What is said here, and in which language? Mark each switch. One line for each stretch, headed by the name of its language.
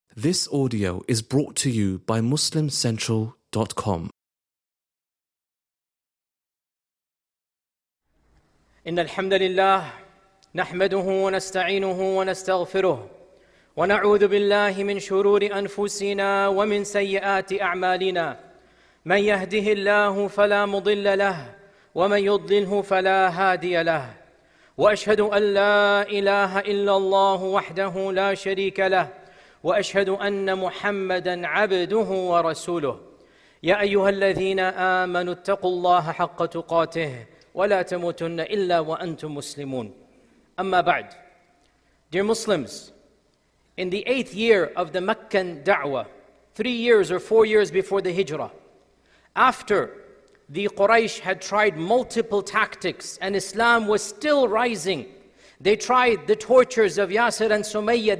English: This audio is brought to you by MuslimCentral.com.
Arabic: إن الحمد لله نحمده ونستعينه ونستغفره ونعوذ بالله من شرور أنفسنا ومن سيئات أعمالنا من يهده الله فلا مضل له ومن يضلله فلا هادي له وأشهد أن لا إله إلا الله وحده لا شريك له وأشهد أن محمدًا عبده ورسوله يا أيها الذين آمنوا اتقوا الله حق تقاته ولا تموتن إلا وأنتم مسلمون أما بعد.
English: Dear Muslims, in the 8th year of the Meccan da'wah, 3 years or 4 years before the hijrah, after the Quraysh had tried multiple tactics and Islam was still rising, they tried the tortures of Yasir and Sumayya.